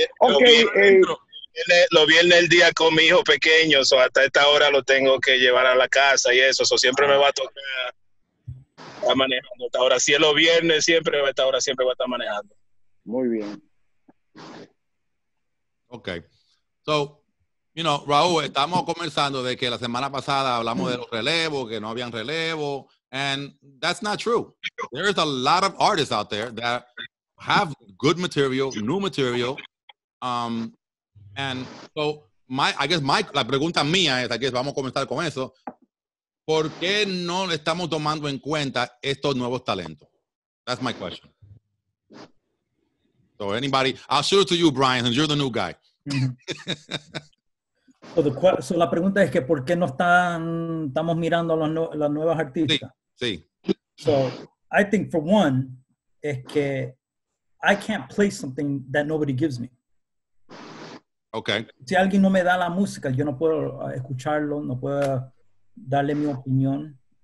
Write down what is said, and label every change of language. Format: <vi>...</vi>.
<es>Lo vi en el día con mi hijo pequeño, so hasta esta hora lo tengo que llevar a la casa y eso. So siempre me va a tocar manejando esta hora. Si es los viernes, siempre a esta hora siempre va a estar manejando. Muy bien. Ok. So, Raúl, estamos conversando de que la semana pasada hablamos de los relevos, que no habían relevos.</es> <en>And that's not true. There is a lot of artists out there that have good material, new material. And so,</en> <es>la pregunta mía es, aquí vamos a comenzar con eso. ¿Por qué no le estamos tomando en cuenta estos nuevos talentos?</es> <en>That's my question. So anybody, I'll shoot it to you, Brian, and you're the new guy.</en> <es>So la pregunta es que ¿por qué no estamos mirando a las nuevas artistas? Sí. Sí.</es> <en>So, I think for one,</en> <es>es que</es> <en>I can't play something that nobody gives me. Okay.</en> <es>Si alguien no me da la música, yo no puedo escucharlo, no puedo darle mi opinión.</es>